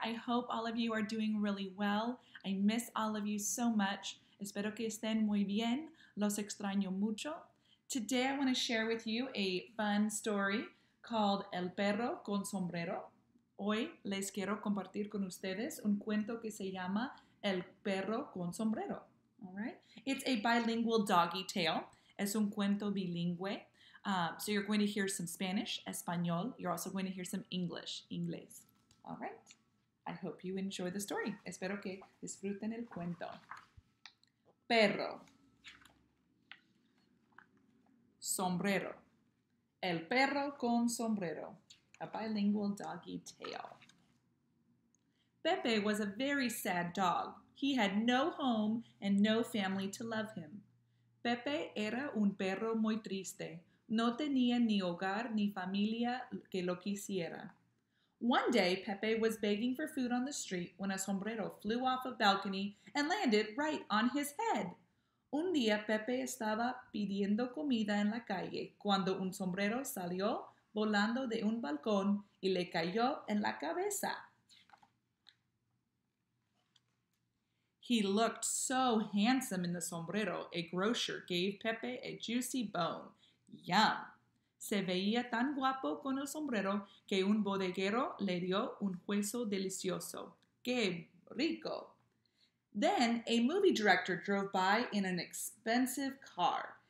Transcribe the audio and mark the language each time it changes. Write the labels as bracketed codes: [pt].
[en] I hope all of you are doing really well. I miss all of you so much. [es] Espero que estén muy bien. Los extraño mucho. [en] Today I want to share with you a fun story called El perro con sombrero. [es] Hoy les quiero compartir con ustedes un cuento que se llama El perro con sombrero. [en] All right? It's a bilingual doggy tale. [es] Es un cuento bilingüe. [en] So you're going to hear some Spanish, español. You're also going to hear some English, inglés. All right. I hope you enjoy the story. [es] Espero que disfruten el cuento. [en] Perro. [es] Sombrero. El perro con sombrero. [en] A bilingual doggy tale. Pepe was a very sad dog. He had no home and no family to love him. [es] Pepe era un perro muy triste. No tenía ni hogar ni familia que lo quisiera. [en] One day, Pepe was begging for food on the street when a sombrero flew off a balcony and landed right on his head. [es] Un día, Pepe estaba pidiendo comida en la calle cuando un sombrero salió volando de un balcón y le cayó en la cabeza. [en] He looked so handsome in the sombrero, a grocer gave Pepe a juicy bone. Yum! [es] Se veía tan guapo con el sombrero que un bodeguero le dio un hueso delicioso. ¡Qué rico! [en] Then a movie director drove by in an expensive car.